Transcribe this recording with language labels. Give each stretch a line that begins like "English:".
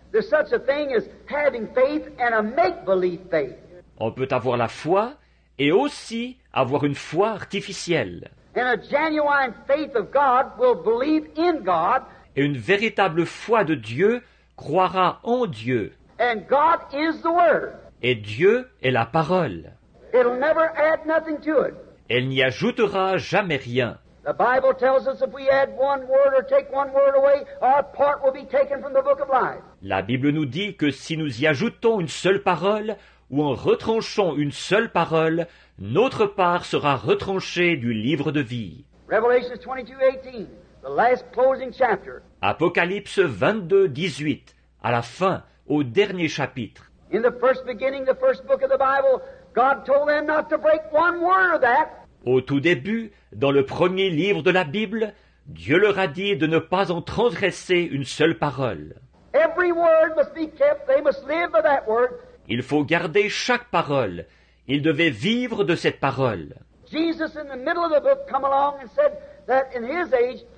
English: There's such a thing as having faith and a make-believe faith.
French: On peut avoir la foi et aussi avoir une foi artificielle.
English: And a genuine faith of God will believe in God.
French: Et une véritable foi de Dieu croira en Dieu.
English: And God is the Word.
French: Et Dieu est la parole.
English: It'll never add nothing to it.
French: Elle n'y ajoutera jamais rien.
English: The Bible tells us if we add one word or take one word away, our part will be taken from the book of life.
French: La Bible nous dit que si nous y ajoutons une seule parole ou en retranchons une seule parole, notre part sera retranchée du livre de vie.
English: Revelation 22:18. The last closing chapter.
French: Apocalypse 22:18, à la fin, au dernier chapitre.
English: In the first beginning, the first book of the Bible, God told them not to break one word of that.
French: Au tout début, dans le premier livre de la Bible, Dieu leur a dit de ne pas en transgresser une seule parole.
English: Every word must be kept. They must live by that word.
French: Il faut garder chaque parole. Ils devaient vivre de cette parole.
English: Jesus, in the middle of the book, came along and said that in his age.